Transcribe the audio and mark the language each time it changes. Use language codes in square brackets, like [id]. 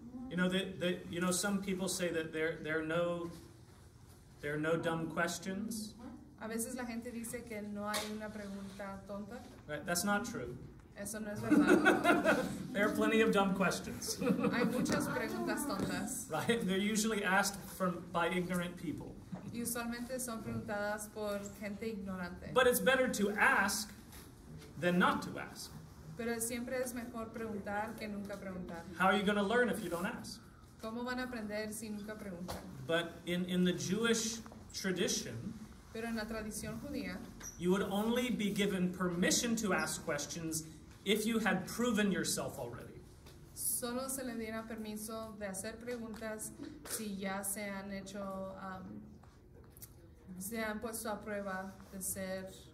[en] You know that some people say that there are no dumb questions. [es] A veces la gente dice que no hay una pregunta tonta. [en] Right, that's not true. [es] Eso no es verdad. [en] There are plenty of dumb questions. [es] Hay muchas preguntas tontas. [en] Right, they're usually asked by ignorant people. [es] Y usualmente son preguntadas por gente ignorante. [en] But it's better to ask than not to ask. [es] Pero siempre es mejor preguntar que nunca preguntar. [en] How are you going to learn if you don't ask? [es] ¿Cómo van a aprender si nunca preguntan? [en] But in the Jewish tradition, [es] pero en la tradición judía, [en] you would only be given permission to ask questions if you had proven yourself already. [es] Solo se le diera permiso de hacer preguntas si ya se han hecho, se han puesto a prueba de ser,